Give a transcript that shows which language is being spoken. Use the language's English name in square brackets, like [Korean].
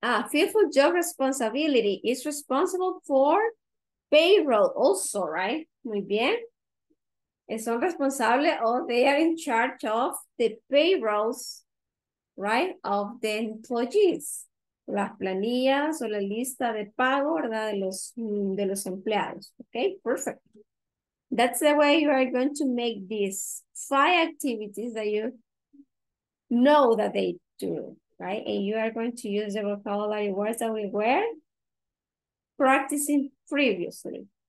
[English] Fearful job responsibility is responsible for payroll also, right? [Spanish] Muy bien. Son responsables, [English] or they are in charge of the payrolls, right? Of the employees. [Spanish] Las planillas o la lista de pago, ¿verdad? De los empleados. [English] Okay, perfect. That's the way you are going to make these five activities that you know that they do, right? And you are going to use the vocabulary words that we were practicing previously.